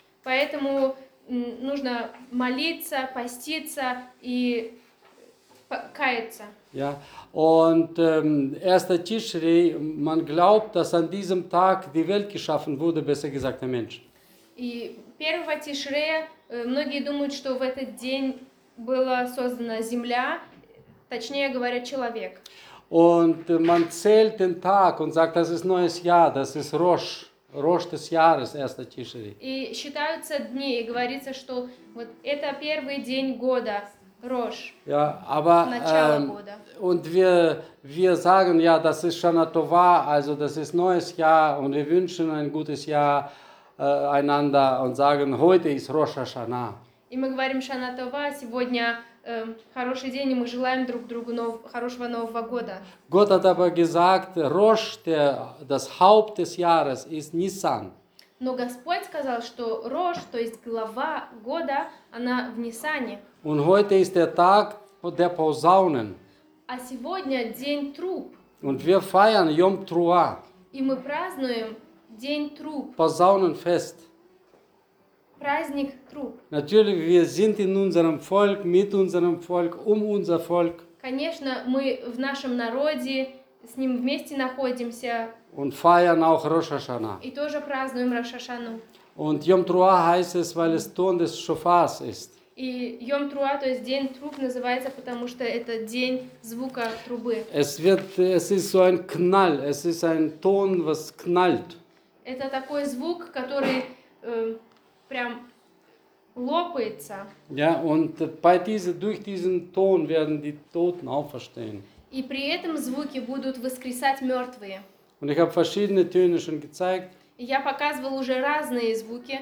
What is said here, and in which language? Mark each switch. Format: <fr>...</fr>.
<ru>Поэтому нужно молиться, поститься и каяться.</ru> <de>Ja, und erster Tischrei, man glaubt, dass an diesem Tag die Welt geschaffen wurde, besser gesagt der Mensch.</de> <ru>И первого Тишрея многие думают, что в этот день была создана Земля, точнее говоря, человек.</ru> <de>Und man zählt den Tag und sagt, das ist neues Jahr, das ist Rosh. Рош des Jahres, erster Tischrei.</de> <ru>И считаются дни, и говорится, что вот это первый день года, Рош.</ru> <de>Ja, aber,</de> <ru>начало года.</ru> <de>Und wir sagen, ja, das ist Shana Tova, also das ist neues Jahr, und wir wünschen ein gutes Jahr einander und sagen, heute ist Rosh Hashanah.</de> <ru>И мы говорим Shana Tova, сегодня хороший день, и мы желаем друг другу хорошего нового года.</ru> <de>Gott hat aber gesagt, Rosh, das Haupt des Jahres, ist Nissan.</de> <ru>Но Господь сказал, что Рош, то есть глава года, она в Нисане.</ru> <de>Und heute ist der Tag der Posaunen.</de> <ru>А сегодня день труб.</ru> <de>Und wir feiern Yom Teruah.</de> <ru>И мы празднуем день труб.</ru> <de>Posaunenfest.</de> <ru>Праздник труб.</ru> <de>Natürlich, wir sind in unserem Volk, mit unserem Volk, um unser Volk.</de> <ru>Конечно, мы в нашем народе с ним вместе находимся.</ru> <de>Und feiern auch Rosh Hashanah.</de> <ru>И тоже празднуем Rosh Hashanah.</ru> <de>Und Yom Teruah heißt es, weil es Ton des Shofars ist.</de> <ru>И Yom Teruah, то есть день труб, называется, потому что это день звука трубы.</ru> <de>Es ist so ein Knall, es ist ein Ton, was knallt.</de> <ru>Это такой звук, который прям лопается.</ru> <de>Ja, und durch diesen Ton werden die Toten auferstehen.</de> <ru>И при этом звуки будут воскресать мертвые.</ru> <de>Und ich habe verschiedene Töne schon gezeigt.</de> <ru>Я показывал уже разные звуки.</ru>